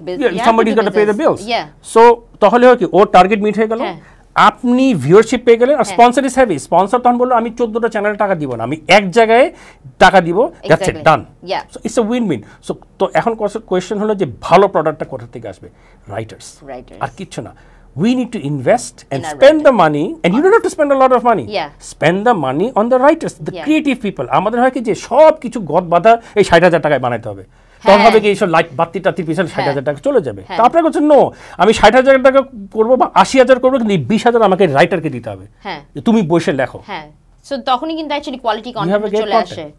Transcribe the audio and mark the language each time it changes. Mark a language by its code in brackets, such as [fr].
[en] Business, somebody is got to pay the bills. Yeah, [bn] so তাহলে হয় কি ওর target meet হয়ে গেল, আপনি ভিউয়ারশিপ পেয়ে গেলেন আর [en] Sponsor is heavy. [bn] স্পন্সর তখন বললো আমি 14টা চ্যানেলে টাকা দিব না, আমি এক জায়গায় টাকা দিব, [en] That's it, done. So it's a win win. [bn] So তো এখন কোয়েশ্চেন হলো যে ভালো প্রোডাক্টটা কোথা থেকে আসবে? রাইটার্স, আর কিচ্ছু না, [en] we need to invest and spend the money, and you don't have to spend a lot of money, spend the money on the writers, the creative people. [bn] আমাদের হয় কি যে সব কিছু গদ বাধা এই 60,000 টাকায় বানাতে হবে, তখন হবে কি এইসব লাইট বাতি টাতি পিছনে 60,000 টাকা চলে যাবে। তা আপনার কাছে নো আমি 60,000 টাকা করবো বা 80,000 করবো, কিন্তু 20,000 আমাকে রাইটারকে দিতে হবে যে তুমি বসে লেখো। সো তখনই কিন্তু অ্যাকচুয়ালি কোয়ালিটি কনটেন্ট চলে আসে।